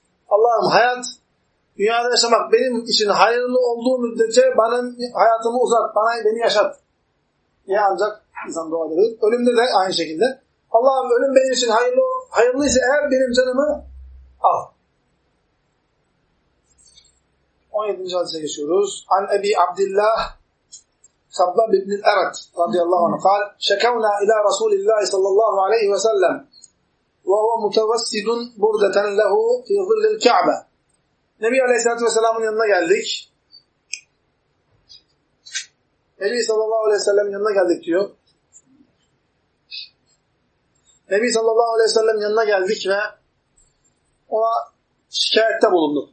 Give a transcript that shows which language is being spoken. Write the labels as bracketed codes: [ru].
[tr] Allah'ım hayat, dünyada yaşamak benim için hayırlı olduğu müddetçe benim hayatımı uzat, bana beni yaşat. Niye ancak insan dua edilir? Ölümde de aynı şekilde. Allah'ım ölüm benim için hayırlıysa eğer benim canımı al. 17. hadise geçiyoruz. [ar] An Ebi Abdillah Sabbab ibn al-Arat radıyallahu anh قال شكونا الى رسول الله صلى الله عليه وسلم وهو متوسد بردة له في ظل الكعبة. [tr] Nebi Aleyhissalatu vesselam'ın yanına geldik. Nebi sallallahu aleyhi ve sellem'in yanına geldik diyor. Nebi sallallahu aleyhi ve sellem'in yanına geldik ve ona şikayette bulundu.